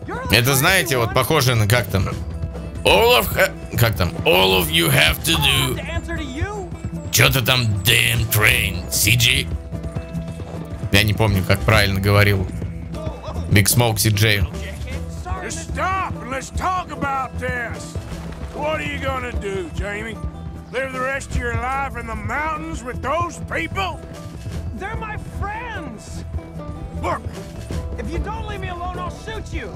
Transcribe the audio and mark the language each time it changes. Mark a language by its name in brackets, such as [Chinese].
[Russian] Это, знаете, вот похоже на как там... [English] All of you have to do... [Russian] Чё-то там [English] damn train, [Russian] CG? Я не помню, как правильно говорил Big Smoke CJ. [English] Stop and let's talk about this. What are you gonna do, Jamie? Live the rest of your life in the mountains with those people? They're my friends. Look. If you don't leave me alone, I'll shoot you.